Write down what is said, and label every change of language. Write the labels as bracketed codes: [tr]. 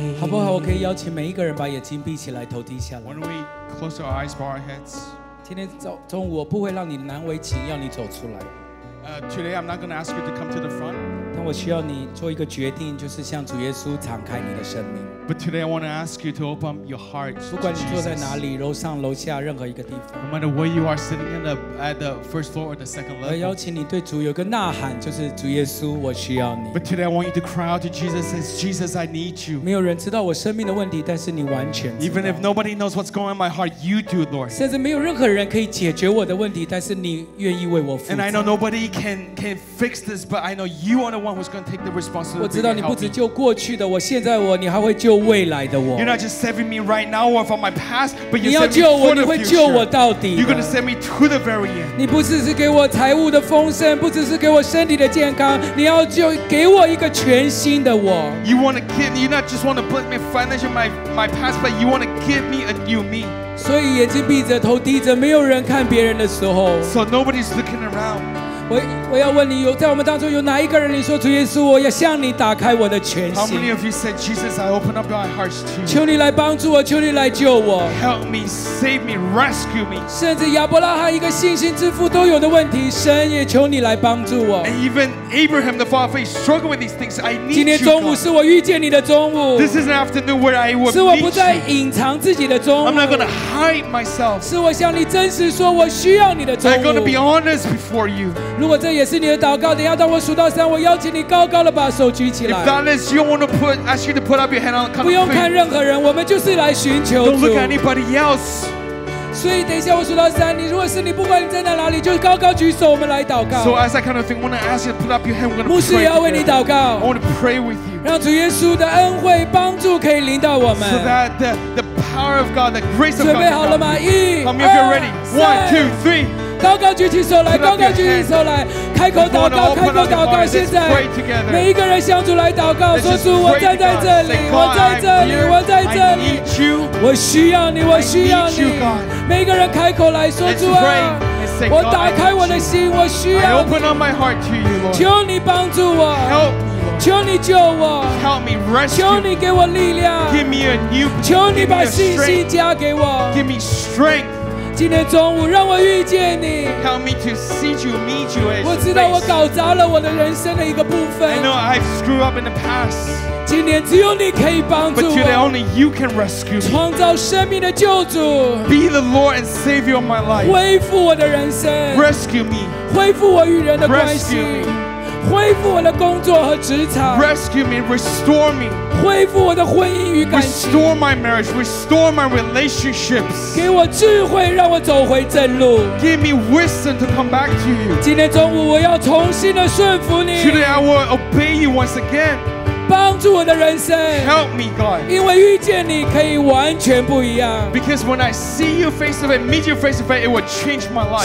[zh] 不好，我可以邀请每一个人把眼睛闭起来，头低下来。 [en] Why don't we close our eyes, bow our heads? [zh] 今天中午我不会让你难为情，要你走出来。 [en] Today I'm not going to ask you to come to the front. [zh] 但我需要你做一个决定，就是向主耶稣敞开你的生命。 [en] But today I want to ask you to open your heart. [zh] 不管你坐在哪里，楼上楼下任何一个地方。 [en] No matter where you are sitting in at the first floor or the second level. [zh] 我邀请你对主有个呐喊，就是主耶稣，我需要你。 [en] But today I want you to cry out to Jesus and say, Jesus, I need you. [zh] 没有人知道我生命的问题，但是你完全知道。 [en] Even if nobody knows what's going on in my heart, you do, Lord. [zh] 甚至没有任何人可以解决我的问题，但是你愿意为我负责。 [en] And I know nobody can fix this, but I know you are the one who's going to take the responsibility. [zh] 我知道你不只救过去的我，现在我，你还会救。 [en] You're not just saving me right now or from my past, but you're [zh] 你要救我，你会救我到底。 [en] You're going to send me to the very end. [zh] 你不只是给我财务的丰盛，不只是给我身体的健康，你要救给我一个全新的我。 [en] You want to give, you not just want to bless me financially my past, but you want to give me a new me. [zh] 所以眼睛闭着，头低着，没有人看别人的时候。 [en] So nobody's looking around. [zh] 我要问你，有在我们当中有哪一个人？你说主耶稣，我要向你打开我的全心。 [en] How many of you said Jesus, I open up my heart to you? [zh] 求你来帮助我，求你来救我。 [en] Help me, save me, rescue me. [zh] 甚至亚伯拉罕一个信心之父都有的问题，神也求你来帮助我。 [en] And even Abraham, the father of faith, struggled with these things. I need you. [zh] 今天中午是我遇见你的中午。 [en] This is an afternoon where I will meet you. [zh] 是我不再隐藏自己的中午。 [en] I'm not going to hide myself. [zh] 是我向你真实说我需要你的中午。 [en] I'm going to be honest before you. [zh] 如果这也是你的祷告，等一下当我数到三，我邀请你高高的把手举起来。 [en] If that is you want to put, ask you to put up your hand on. [zh] 不用看任何人，我们就是来寻求主。 [en] Don't look at anybody else. [zh] 所以等一下我数到三，你如果是你，不管你站在哪里，就高高举手，我们来祷告。 [en] So as I kind of think, I want to ask you to put up your hand. We're going to pray. [zh] 牧师要为你祷告。 [en] I want to pray with you. [zh] 让主耶稣的恩惠帮助可以临到我们。 [en] So that the power of God, the grace of God. [zh] 准备好了吗？一、二、三。 [en] One, two, three. [zh] 高高举起手来，高高举起手来，开口祷告，开口祷告。现在每一个人向主来祷告，说主，我站在这里，我在这里，我在这里，我需要你，我需要你。每一个人开口来说主啊，我打开我的心，我需要你。求你帮助我，求你救我，求你给我力量，求你把信心加给我。今天中午让我遇见你。 [en] Help me to see you, meet you. [zh] 我知道我搞砸了我的人生的一个部分。 [en] I know I've screwed up in the past. [zh] 今天只有你可以帮助我。 [en] But today only you can rescue me. [zh] 创造生命的救主。 [en] Be the Lord and Savior of my life. [zh] 恢复我的人生。 [en] Rescue me. [zh] 恢复我与人的关系。恢复我的工作和职场。 [en] Rescue me, restore me. [zh] 恢复我的婚姻与感情。 [en] Restore my marriage, restore my relationships. [zh] 给我智慧，让我走回正路。 [en] Give me wisdom to come back to you. [zh] 今天中午我要重新的顺服你。 [en] Today I will obey you once again. [zh] 帮助我的人生。 [en] Help me, God. [zh] 因为遇见你可以完全不一样。 [en] Because when I see you face to face, meet you face to face, it will change my life.